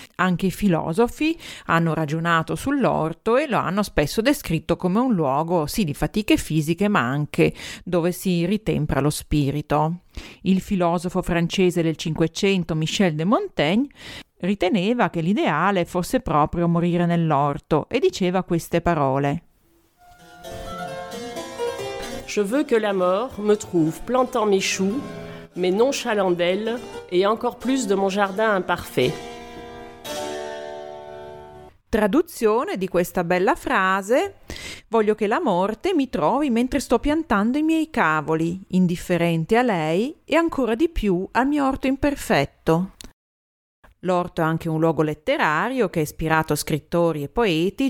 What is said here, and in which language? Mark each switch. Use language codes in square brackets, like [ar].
[it] Anche i filosofi hanno ragionato sull'orto e lo hanno spesso descritto come un luogo sì di fatiche fisiche, ma anche dove si ritempra lo spirito. Il filosofo francese del Cinquecento Michel de Montaigne riteneva che l'ideale fosse proprio morire nell'orto e diceva queste parole: [fr] Je veux que la mort me trouve plantant mes choux, mes nonchalants d'ailes et encore plus de mon jardin imparfait. [it] Traduzione di questa bella frase: voglio che la morte mi trovi mentre sto piantando i miei cavoli, indifferente a lei e ancora di più al mio orto imperfetto. L'orto è anche un luogo letterario che ha ispirato scrittori e poeti.